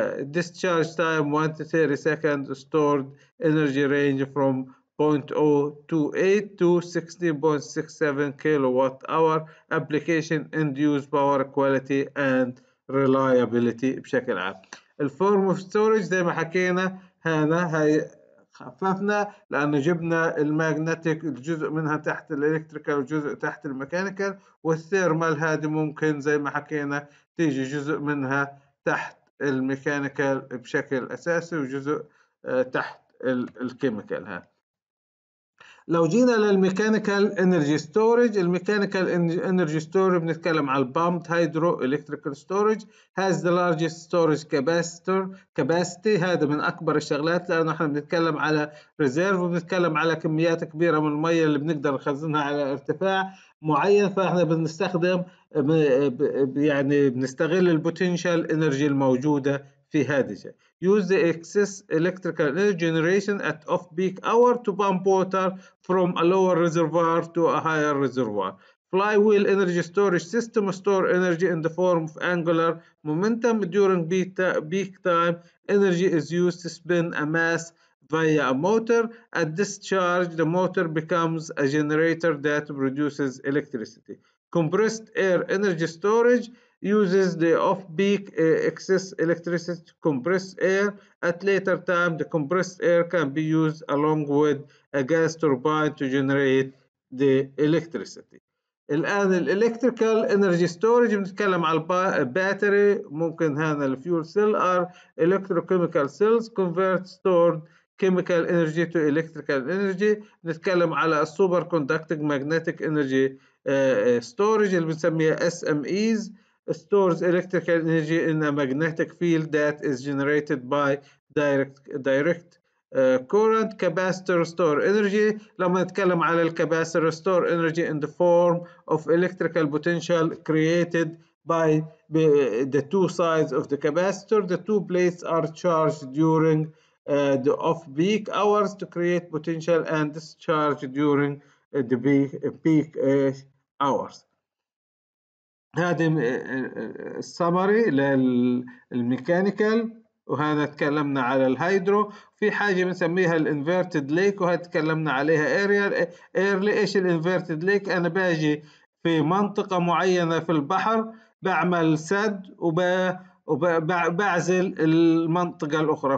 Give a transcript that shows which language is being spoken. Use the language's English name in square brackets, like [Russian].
[English] Discharge time 1 to 30 seconds. Stored energy range from 0.028 to 16.67 kilowatt hour. Application induced power quality and reliability [Arabic] بشكل عام. الفورم اوف ستورج زي ما حكينا هنا هي خففنا لانه جبنا الماجنتيك الجزء منها تحت الالكتريكال وجزء تحت الميكانيكال، والثيرمال هذه ممكن زي ما حكينا تيجي جزء منها تحت الميكانيكال بشكل اساسي وجزء تحت الكيميكال. ها لو جينا للميكانيكال انرجي ستورج، الميكانيكال انرجي ستورج بنتكلم على البامبد هيدرو الكتريكال ستورج. [English] has the largest storage capacity, [Arabic] هذا من اكبر الشغلات لانه احنا بنتكلم على ريزيرف وبنتكلم على كميات كبيره من الميه اللي بنقدر نخزنها على ارتفاع معين، فاحنا بنستخدم يعني بنستغل البوتنشال انرجي الموجوده في هذه. [English] Use the excess electrical energy generation at off-peak hour to pump water from a lower reservoir to a higher reservoir. Flywheel energy storage system store energy in the form of angular momentum during peak time. Energy is used to spin a mass via a motor. At discharge, the motor becomes a generator that produces electricity. Compressed air energy storage uses the off-peak excess electricity to compress air. At later time, the compressed air can be used along with a gas turbine to generate the electricity. [Arabic] الآن الإلكتريكال إنرجي ستورج بنتكلم على الباتري، ممكن هنا الفيول سيل أر إلكتروكيميكال سيلز [English] convert stored chemical energy to electrical energy. [Arabic] نتكلم على السوبر كوندكتنج ماجنتيك إنرجي ستورج اللي بنسميها SMEs. [English] Stores electrical energy in a magnetic field that is generated by direct current. Capacitor store energy. [Arabic] لما نتكلم على الكاباستور [English] store energy in the form of electrical potential created by the two sides of the capacitor. The two plates are charged during the off-peak hours to create potential and discharge during the peak hours. [Arabic] هذه السمري للميكانيكال، وهنا تكلمنا على الهيدرو. في حاجة بنسميها الانفيرتد ليك وهذا تكلمنا عليها ايرلي. ايش الانفيرتد ليك؟ انا باجي في منطقة معينة في البحر بعمل سد وبعزل المنطقة الاخرى.